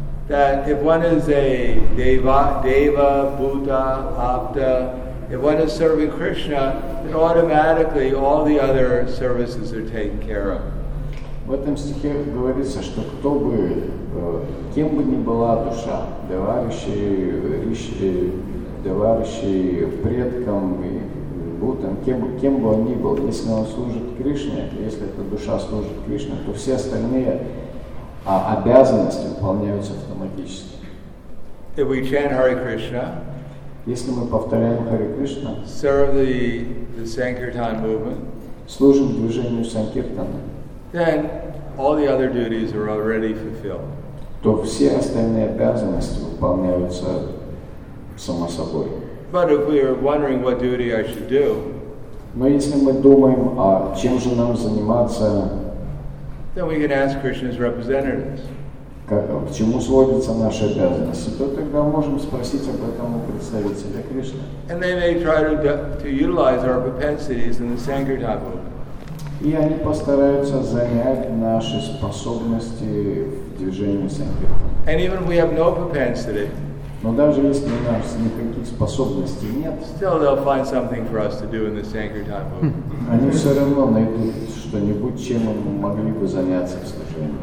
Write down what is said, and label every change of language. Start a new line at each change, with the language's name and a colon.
English: That if one is a deva, buddha, apta, if one is serving Krishna, then automatically all the other services are taken care of.
Russian: В этом стихе говорится, что кто бы, кем бы ни была душа, деварищей предкам и бутам, кем бы он ни был, если он служит Кришне, если эта душа служит Кришне, то все остальные обязанности выполняются автоматически.
English: If we chant Hare Krishna,
Russian: если мы повторяем Харе Кришна,
English: serve the Sankirtan movement,
Russian: служим движению Санкиртана,
English: then all the other duties are already fulfilled.
Russian: То все остальные обязанности выполняются само собой.
English: But if we are wondering what duty I should do,
Russian: но если мы думаем, а чем же нам заниматься,
English: then we can ask Krishna's representatives.
Russian: К чему сводятся наши обязанности, то тогда можем спросить об этом у представителя Кришны.
English: And they may try to utilize our propensities in the Sankirtan movement.
Russian: И они постараются занять наши способности в движении Санкиртана.
English: And even if we have no propensity,
Russian: но даже если у нас никаких способностей нет,
English: still they'll find something for us to do in the Sankirtan movement.
Russian: Они все равно найдут что-нибудь, чем мы могли бы заняться в служении.